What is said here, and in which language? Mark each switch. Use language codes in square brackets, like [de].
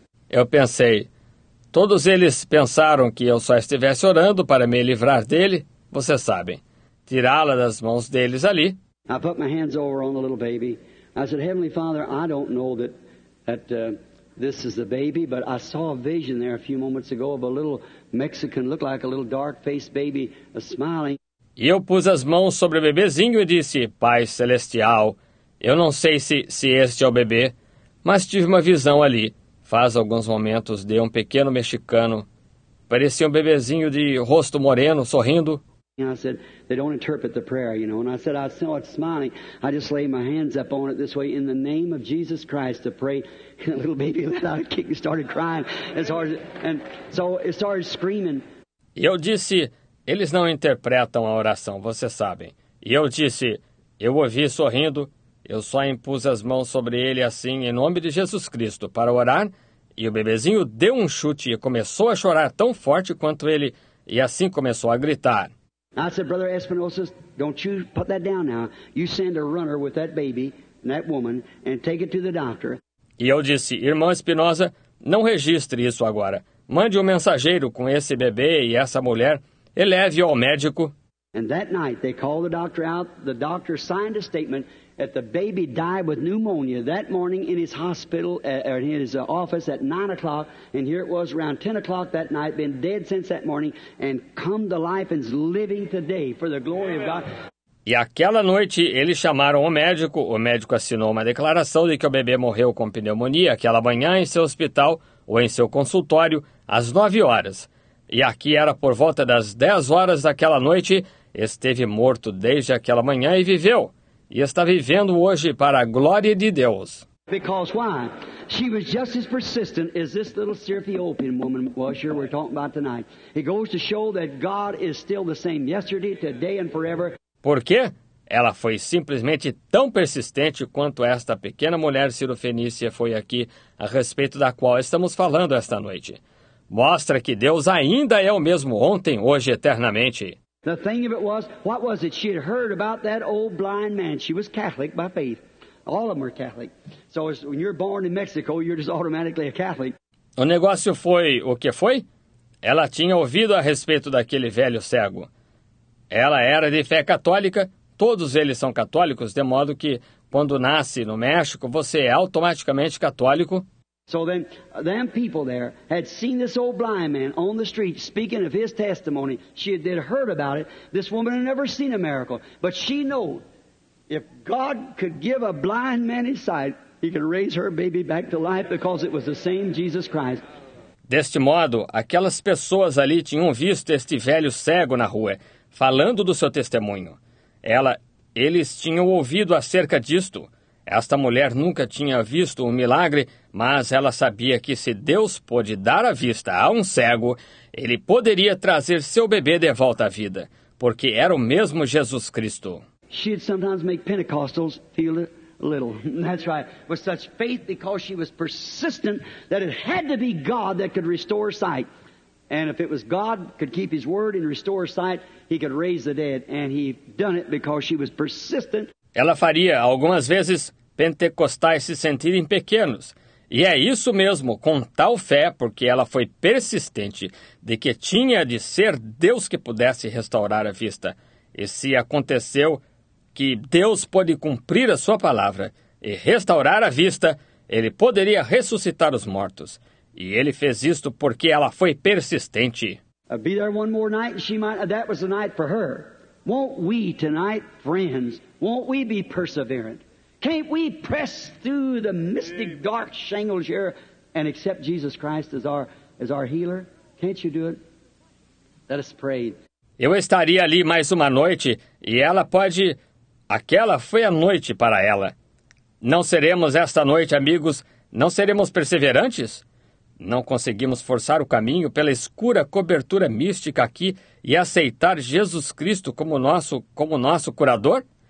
[pt] Eu pensei, todos eles pensaram que eu só estivesse orando para me livrar dele, vocês sabem, tirá-la das mãos deles ali. [en] I put my hands over on the little baby. I said, Heavenly Father, I don't know that this is the baby, but I saw a vision there a few moments ago of a little Mexican, looked like a little dark-faced baby, smiling. [pt] E eu pus as mãos sobre o bebezinho e disse, Pai Celestial, eu não sei se este é o bebê, mas tive uma visão ali. Faz alguns momentos de um pequeno mexicano. Parecia um bebezinho de rosto moreno, sorrindo. [en] And I said, they don't interpret the prayer, you know. And I said, I saw it smiling. I just laid my hands up on it this way, in the name of Jesus Christ, to pray. And the little baby let out a kick and started crying. And so it started screaming. [pt] E eu disse, eles não interpretam a oração, vocês sabem. E eu disse, eu ouvi sorrindo. Eu só impus as mãos sobre ele assim, em nome de Jesus Cristo, para orar. E o bebezinho deu um chute e começou a chorar tão forte quanto ele. E assim começou a gritar. [en] I said, Brother Espinosa, don't you put that down now. You send a runner with that baby and that woman and take it to the doctor. [pt] E eu disse, Irmão Espinosa, não registre isso agora. Mande um mensageiro com esse bebê e essa mulher. Eleve-o ao médico. [en] And that night they called the doctor out. The doctor signed a statement that the baby died with pneumonia that morning in his hospital, or in his office at 9 o'clock. And here it was around 10 o'clock that night, been dead since that morning, and come to life and is living today for the glory of God. [pt] E aquela noite eles chamaram o médico assinou uma declaração de que o bebê morreu com pneumonia aquela manhã em seu hospital ou em seu consultório às 9 horas. E aqui era por volta das 10 horas daquela noite, esteve morto desde aquela manhã e viveu. E está vivendo hoje para a glória de Deus. [en] Because why? She was just as persistent as this little Syrophoenician woman was here we're talking about tonight. It goes to show that God is still the same yesterday, today and forever. [pt] Por quê? Ela foi simplesmente tão persistente quanto esta pequena mulher sirofenícia foi aqui a respeito da qual estamos falando esta noite. Mostra que Deus ainda é o mesmo ontem, hoje e eternamente. [en] The thing of it was, what was it? She had heard about that old blind man. She was Catholic by faith. All of them are Catholic. So when you're born in Mexico, you're just automatically a Catholic. [pt] O negócio foi o que foi? Ela tinha ouvido a respeito daquele velho cego. Ela era de fé católica. Todos eles são católicos, de modo que quando nasce no México, você é automaticamente católico. [en] So then, them people there had seen this old blind man on the street speaking of his testimony. She had heard about it. This woman had never seen a miracle. But she knew if God could give a blind man his sight, he could raise her baby back to life because it was the same Jesus Christ. [pt] Deste modo, aquelas pessoas ali tinham visto este velho cego na rua, falando do seu testemunho. Eles tinham ouvido acerca disto. Esta mulher nunca tinha visto um milagre, mas ela sabia que se Deus pôde dar a vista a um cego, ele poderia trazer seu bebê de volta à vida, porque era o mesmo Jesus Cristo. [en] She'd sometimes make Pentecostals feel a little. That's right. With such faith, because she was persistent that it had to be God that could restore sight. And if it was God could keep his word and restore sight, he could raise the dead. And he done it because she was persistent. [pt] Ela faria, algumas vezes, pentecostais se sentirem pequenos. E é isso mesmo, com tal fé, porque ela foi persistente, de que tinha de ser Deus que pudesse restaurar a vista. E se aconteceu que Deus pôde cumprir a sua palavra e restaurar a vista, ele poderia ressuscitar os mortos. E ele fez isto porque ela foi persistente. [en] Be there one more night and she might, that was the night for her. Won't we tonight, friends, won't we be perseverant? Can't we press through the mystic dark shingles here and accept Jesus Christ as our healer? Can't you do it? Let us pray. [pt] Eu estaria ali mais uma noite e ela pode... Aquela foi a noite para ela. Não seremos esta noite, amigos, não seremos perseverantes? Não conseguimos forçar o caminho pela escura cobertura mística aqui e aceitar Jesus Cristo como nosso curador?